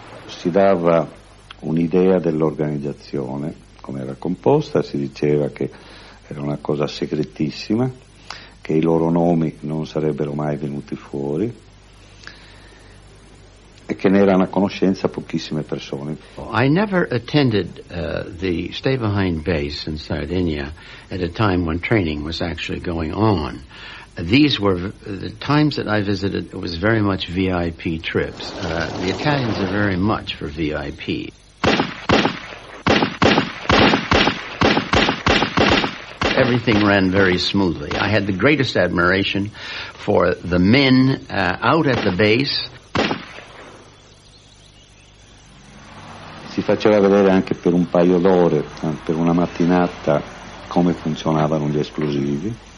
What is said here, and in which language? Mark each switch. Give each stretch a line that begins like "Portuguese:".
Italian: Si dava un'idea dell'organizzazione, come era composta, si diceva che era una cosa segretissima, che i loro nomi non sarebbero mai venuti fuori e che ne erano a conoscenza pochissime persone.
English: I never attended the stay behind base in Sardinia at a time when training was actually going on. These were the times that I visited, it was very much VIP trips. The Italians are very much for VIP. everything ran very smoothly. I had the greatest admiration for the men out at the base.
Italian: Si faceva vedere anche per un paio d'ore, per una mattinata, come funzionavano gli esplosivi.